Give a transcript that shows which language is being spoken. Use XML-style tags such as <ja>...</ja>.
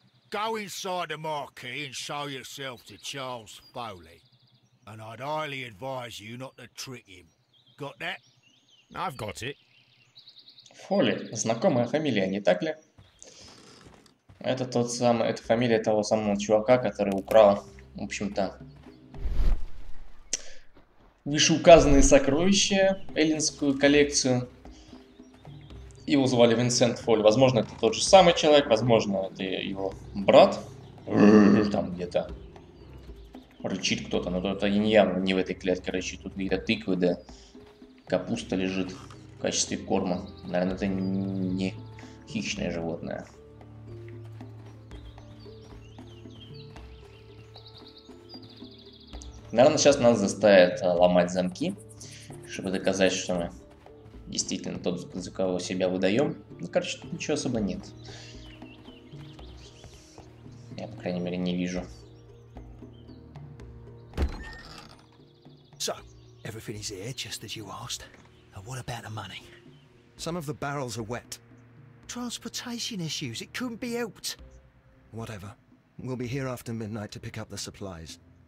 <en>Go inside the marquee and show yourself to Charles Foley. And I'd highly advise you not to trick him. Got that? I've got it.</en> <ru>Фоли, знакомая фамилия, не так ли? Это тот самый, это фамилия того самого чувака, который украл в общем-то. Вышеуказанные сокровища, эллинскую коллекцию. Его звали Винсент Фоль. Возможно, это тот же самый человек, возможно, это его брат. Там где-то рычит кто-то, но это не явно не в этой клетке рычит. Тут где-то тыквы, да, капуста лежит в качестве корма. Наверное, это не хищное животное. Наверное, сейчас нас заставят ломать замки, чтобы доказать, что мы действительно тот, за кого себя выдаем. Ну, короче, тут ничего особо нет. Я, по крайней мере, не вижу.</ru> <en>So, everything is here, just as you asked. And what about the money? Some of the barrels are wet. Transportation issues, it couldn't be helped. Whatever. We'll be here after midnight to pick up the supplies.</en>